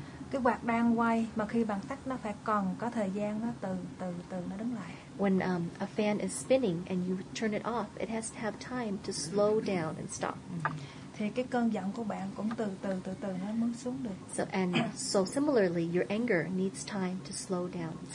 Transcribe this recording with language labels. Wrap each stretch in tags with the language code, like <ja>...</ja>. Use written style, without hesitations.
<vi>cái quạt đang quay mà khi bạn tắt nó phải còn có thời gian nó từ nó đứng lại.</vi> <en>When a fan is spinning and you turn it off, it has to have time to slow down and stop.</en> <vi>Thì cái cơn giận của bạn cũng từ nó mới xuống được.</vi> <en>So and so similarly, your anger needs time to slow down.</en>